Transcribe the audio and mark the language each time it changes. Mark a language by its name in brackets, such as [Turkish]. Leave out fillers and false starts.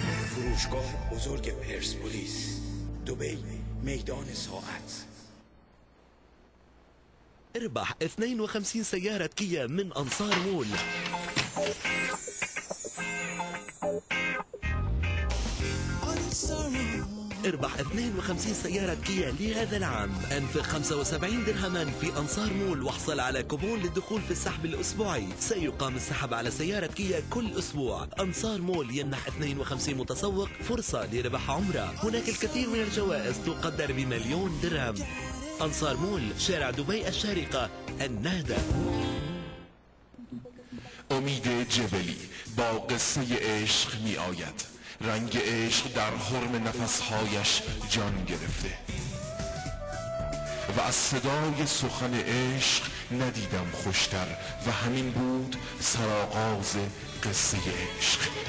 [Persian] فروشگاه بزرگ پرسپولیس، دبی، میدان ساعت. [Arabic] اربح 52 سيارة كيا من انصار مول. انصار مول. اربح 52 سيارة كيا لهذا العام. انفق 75 درهما في أنصار مول واحصل على كوبون للدخول في السحب الأسبوعي. سيقام السحب على سيارة كيا كل أسبوع. أنصار مول يمنح 52 متسوق فرصة لربح عمرة. هناك الكثير من الجوائز تقدر بمليون درهم. أنصار مول، شارع دبي الشارقة، النهدى. [Persian] امید جبلی با قصه عشق می آید. رنگ عشق در حرم نفسهایش جان گرفته و از صدای سخن عشق ندیدم خوشتر و همین بود سرآغاز قصه عشق.